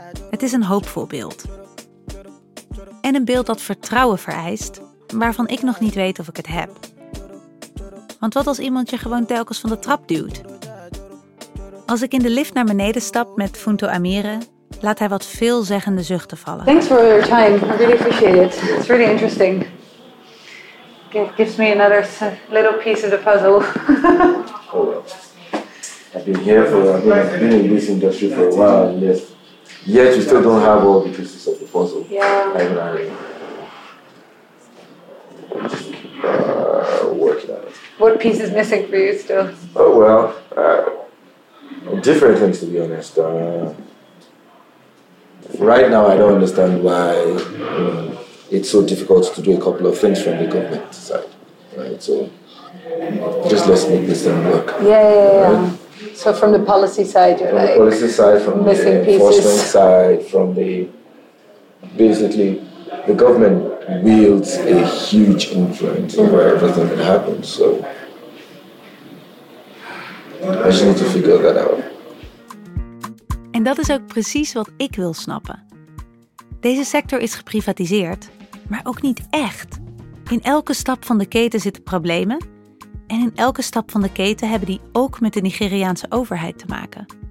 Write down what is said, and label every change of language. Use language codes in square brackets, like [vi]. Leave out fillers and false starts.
[nl] Het is een hoopvol beeld. En een beeld dat vertrouwen vereist, waarvan ik nog niet weet of ik het heb. Want wat als iemand je gewoon telkens van de trap duwt? Als ik in de lift naar beneden stap met Funto Amire, laat hij wat veelzeggende zuchten vallen. [en] Thanks for your time. I really appreciate it. It's really interesting. It gives me another little piece of the puzzle. Oh, well. I've been in this industry for a while, and yet you still don't have all the pieces of the puzzle. Yeah. I'm not really. Working out. What piece is missing for you still? Oh, well, different things, to be honest. Right now, I don't understand why it's so difficult to do a couple of things from the government side. Right? So, just let's make this thing work. Yeah. Right? So, from the policy side, you're from like... From the policy side, from missing the pieces. Enforcement side, from the... Basically, the government wields a huge influence over everything that happens, so I just need to figure that out. [nl] En dat is ook precies wat ik wil snappen. Deze sector is geprivatiseerd, maar ook niet echt. In elke stap van de keten zitten problemen, en in elke stap van de keten hebben die ook met de Nigeriaanse overheid te maken.